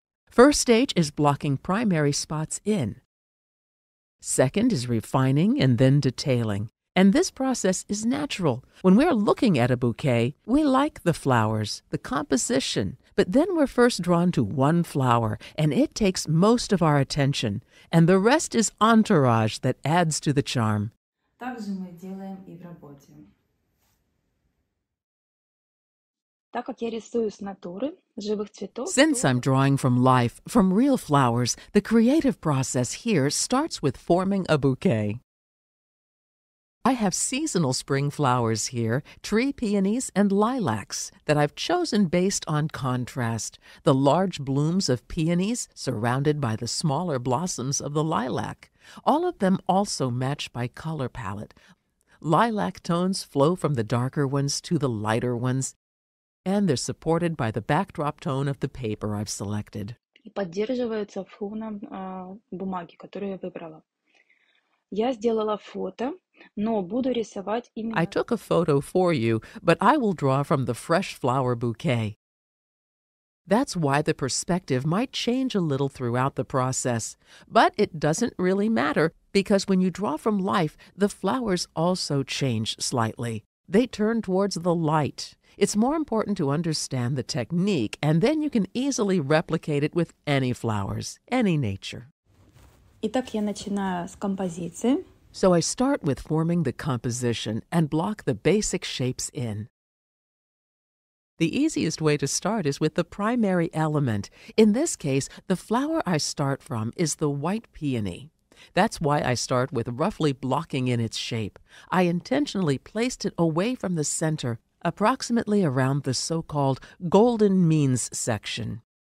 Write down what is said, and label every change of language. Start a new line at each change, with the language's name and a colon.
English: First stage is blocking primary spots in. Second is refining and then detailing. And this process is natural. When we're looking at a bouquet, we like the flowers, the composition, but then we're first drawn to one flower, and it takes most of our attention, and the rest is entourage that adds to the charm.
Russian: Также мы делаем и в работе. Так как я рисую с натуры, живых цветов,
English: Since I'm drawing from life, from real flowers, the creative process here starts with forming a bouquet. I have seasonal spring flowers here, tree peonies and lilacs, that I've chosen based on contrast. The large blooms of peonies surrounded by the smaller blossoms of the lilac. All of them also match by color palette. Lilac tones flow from the darker ones to the lighter ones, and they're supported by the backdrop tone of the paper I've selected.
Russian: И поддерживаются фоном бумаги, которую я выбрала. Я сделала фото.
English: I took a photo for you, but I will draw from the fresh flower bouquet. That's why the perspective might change a little throughout the process. But it doesn't really matter, because when you draw from life, the flowers also change slightly. They turn towards the light. It's more important to understand the technique, and then you can easily replicate it with any flowers, any nature.
Russian: Итак, я начинаю с композиции.
English: So I start with forming the composition and block the basic shapes in. The easiest way to start is with the primary element. In this case, the flower I start from is the white peony. That's why I start with roughly blocking in its shape. I intentionally placed it away from the center, approximately around the so-called golden means section.